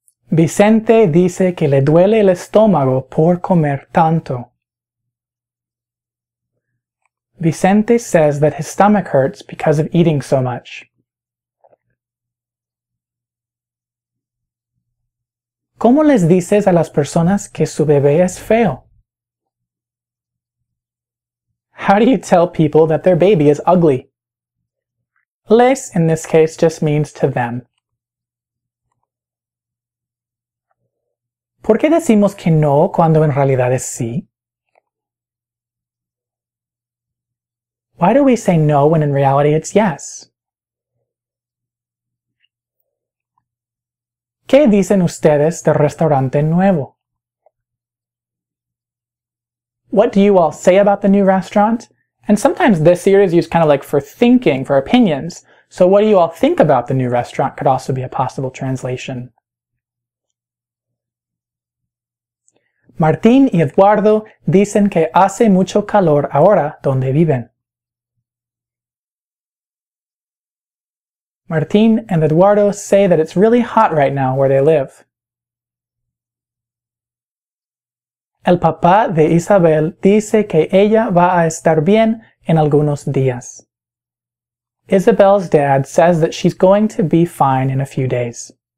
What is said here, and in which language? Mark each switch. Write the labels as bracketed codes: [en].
[es] Vicente dice que le duele el estómago por comer tanto. [en] Vicente says that his stomach hurts because of eating so much. [es] ¿Cómo les dices a las personas que su bebé es feo? [en] How do you tell people that their baby is ugly? Les, in this case, just means to them. [es] ¿Por qué decimos que no cuando en realidad es sí? [en] Why do we say no when in reality it's yes? [es] ¿Qué dicen ustedes del restaurante nuevo? [en] What do you all say about the new restaurant? And sometimes this here is used kind of like for thinking, for opinions. So what do you all think about the new restaurant could also be a possible translation. [es] Martín y Eduardo dicen que hace mucho calor ahora donde viven. [en] Martín and Eduardo say that it's really hot right now where they live. [es] El papá de Isabel dice que ella va a estar bien en algunos días. [en] Isabel's dad says that she's going to be fine in a few days.